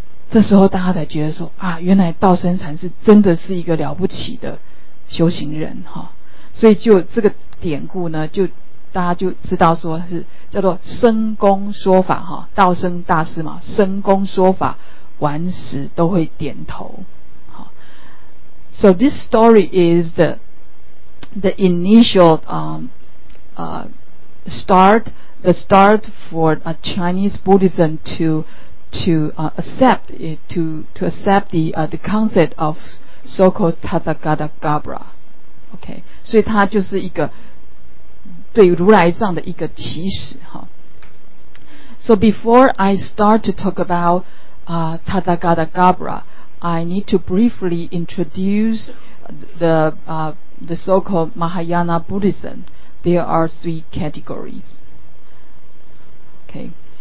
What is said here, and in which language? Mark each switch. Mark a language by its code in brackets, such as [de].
[zh] 这时候大家才觉得说啊，原来道生禅师真的是一个了不起的修行人，所以就这个典故呢，就大家就知道说是叫做深功说法，道生大师嘛，深功说法顽石都会点头。 [en] So this story is the initial start for a Chinese Buddhism to accept the concept of so-called Tathagatagarbha. [zh] Okay, 所以它就是一个对如来藏的一个起始。 [en] So before I start to talk about Tathagatagarbha, I need to briefly introduce the so-called Mahayana Buddhism. There are three categories. Okay.